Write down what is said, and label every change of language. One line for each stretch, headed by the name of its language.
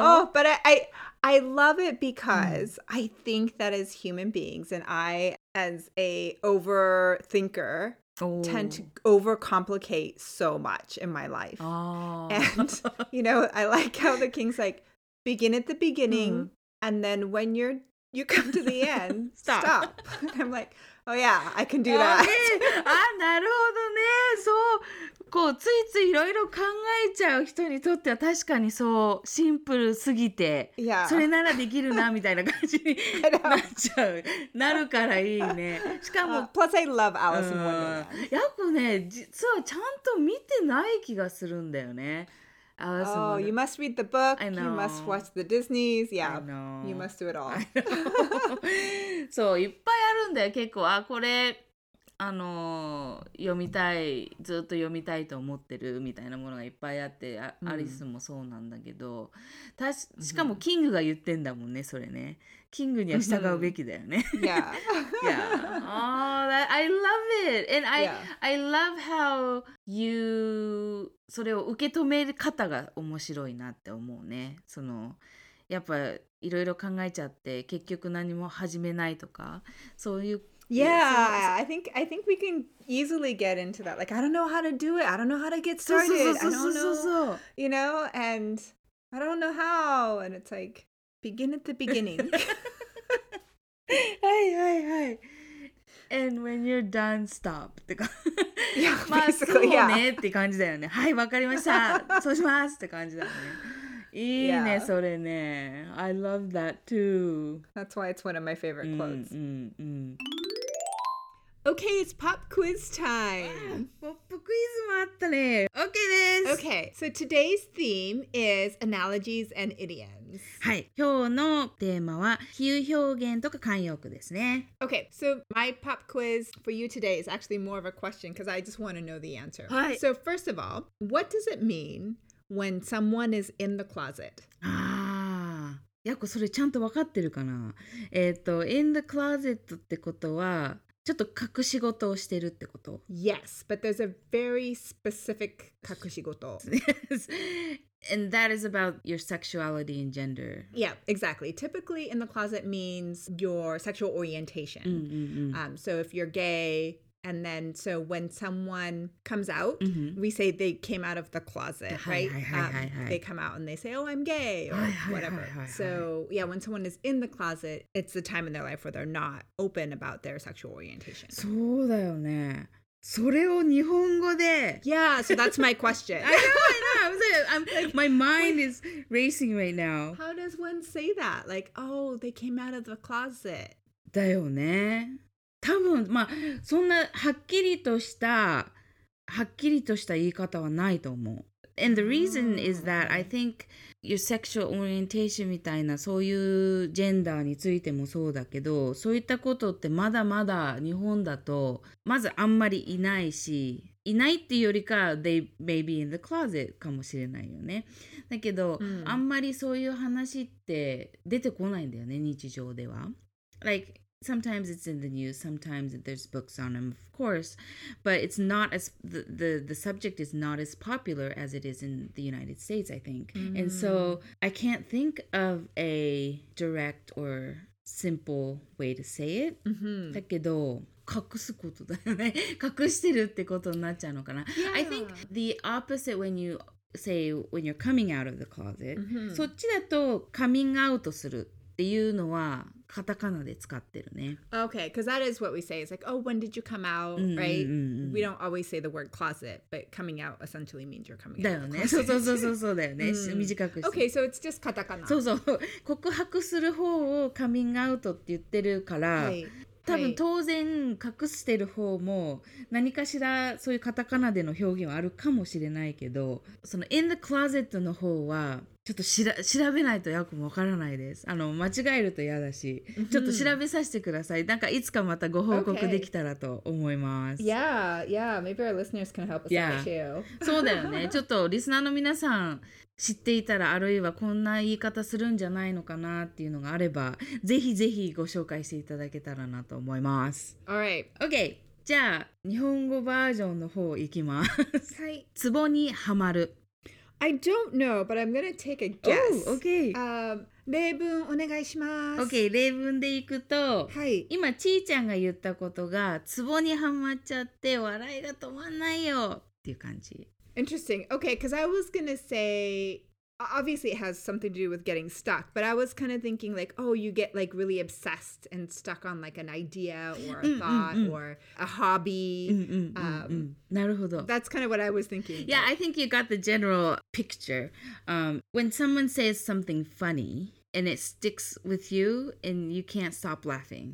English: Oh, but I love it because I think that as human beings, and I, as a overthinker, tend to overcomplicate so much in my life. Oh. And, you know, I like how the king's like, begin at the beginning, and then when you come to the end, stop. And I'm like, oh yeah, I can do that.
Japanese: Ah, なるほどね。そう。こうついついいろいろ考えちゃう人にとっては確かにそうシンプルすぎて、
English: yeah.
Japanese: それならできるなみたいな感じになっちゃうなるからいいね。しかも、
English: plus I love Alice in Wonderland。
Japanese: やっぱね実はちゃんと見てない気がするんだよね。
English: Oh, you must read the book. You must watch the Disney's. Yeah, you must do it all. そういっぱいあるんだよ結構。あこれ読みたい、ずっと読みたいと思ってるみたいなものがいっぱいあって、アリスもそうなんだけど、しかもキングが言ってんだもんね、それね。キングには従うべきだよね。 Yeah. Yeah. Oh, that, I love it. And I,、yeah. I love how you,
Japanese: それを受け止める方が面白いなって思うね。その、やっぱいろいろ考えちゃって、結局何も始めないとか、そういう、
English: Yeah, I think we can easily get into that. Like, I don't know how to do it. I don't know how to get started. You know, and I don't know how. And it's like, begin at the beginning. Hey, hey, hey. And when you're done, stop. Yeah, basically, yeah.
Japanese: まあ、そうねって感じだよね。はい、わかりました。そうしますって感じだよね。いいね、
English: yeah.
Japanese: それね。
English: I love that too. That's why it's one of my favorite quotes. Okay, it's pop quiz time.
Japanese: Pop quiz もあったね。Okay です。
English: Okay, so today's theme is analogies and idioms.
Japanese: はい。今日のテーマは比喩表現とか慣用句ですね。
English: Okay, so my pop quiz for you today is actually more of a question because I just want to know the answer. はい。 So first of all, what does it mean? When someone is in the closet.
Japanese: ああ、やこそれちゃんとわかってるかな。 in the closet ってことはちょっと隠し事をしてるってこと。
English: Yes, but there's a very specific 隠し事。 Yes, and that is about your sexuality and gender. Yeah, exactly. Typically, in the closet means your sexual orientation. So if you're gay. And then, so when someone comes out,、 mm-hmm. we say they came out of the closet, right? They come out and they say, oh, I'm gay, or whatever. So, yeah, when someone is in the closet, it's the time in their life where they're not open about their sexual orientation.
Japanese: そうだよね。それを日本語で。
English: Yeah, so that's my question. I know. My mind is racing right now. How does one say that? Like, oh, they came out of the closet.
Japanese: だよね。多分まあそんなはっきりとした言い方はないと思う。
English: And the reason is that I think your sexual orientation
Japanese: みたいなそういうジェンダーについてもそうだけど、そういったことってまだまだ日本だとまずあんまりいないし、いないっていうよりか
English: they may be in the closet
Japanese: かもしれないよね。だけど、うん、あんまりそういう話って出てこないんだよね日常では。
English: Like,Sometimes it's in the news, sometimes there's books on them, of course, but it's not as, the subject is not as popular as it is in the United States, I think. Mm. And so I can't think of a direct or simple way to say it. Mm-hmm.
Japanese: だけど、隠すことだよね。隠してるってことになっちゃうのかな。
English: Yeah. I think the opposite when you say when you're coming out of the closet, mm-hmm.
Japanese: そっちだと coming out するっていうのはカタカナで使ってるね。
English: Okay, because that is what we say. It's like, oh, when did you come out, right? We don't always say the word closet, but coming out essentially means you're coming out.
Japanese: だよね。そうだよね。短くして。
English: Okay, so it's just カタカナ。
Japanese: そうそう。告白する方をカミングアウトって言ってるから、多分当然隠してる方も何かしらそういうカタカナでの表現はあるかもしれないけど、その in the closet の方は、ちょっと調べないとよくもわからないです。間違えると嫌だし、ちょっと調べさせてください。なんかいつかまたご報告できたらと思います。
English: Okay. Yeah, yeah, maybe our listeners can help us out too.
Japanese: そうだよね。ちょっとリスナーの皆さん知っていたら、あるいはこんな言い方するんじゃないのかなっていうのがあれば、ぜひぜひご紹介していただけたらなと思います。
English: All right. Okay.
Japanese: じゃあ、日本語バージョンの方行きます。はい。ツボにはまる。
English: I don't know, but I'm gonna take a guess. Oh, okay.
Japanese: 例文お願いします。 Okay, 例文でいくと、はい、今ちーちゃんが言ったことが、ツボにはまっちゃって笑いが止まんないよっていう感じ。
English: Interesting. Okay, because I was gonna say, obviously it has something to do with getting stuck, but I was kind of thinking like, oh, you get like really obsessed and stuck on like an idea or a thought or a hobby.
Japanese: なるほど.
English: That's kind of what I was thinking. Yeah, I think you got the general picture. When someone says something funny and it sticks with you and you can't stop laughing.